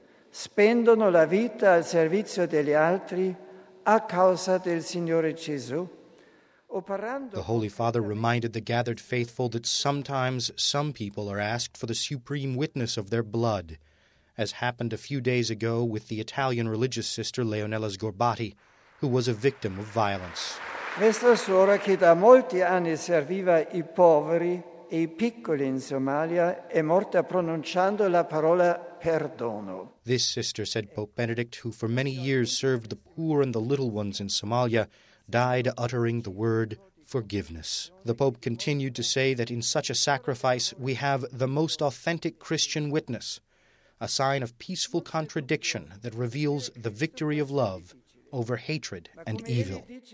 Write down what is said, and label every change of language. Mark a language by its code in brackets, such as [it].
[it] Spendono la vita al servizio degli altri a causa del Signore Gesù. [en] The Holy Father reminded the gathered faithful that sometimes some people are asked for the supreme witness of their blood, as happened a few days ago with the Italian religious sister Leonella Sgorbati, who was a victim of violence. [it] Questa suora che da molti anni serviva i poveri e i piccoli in Somalia è morta pronunciando la parola perdono. [en] This sister, said Pope Benedict, who for many years served the poor and the little ones in Somalia, died uttering the word forgiveness. The Pope continued to say that in such a sacrifice we have the most authentic Christian witness, a sign of peaceful contradiction that reveals the victory of love over hatred and evil.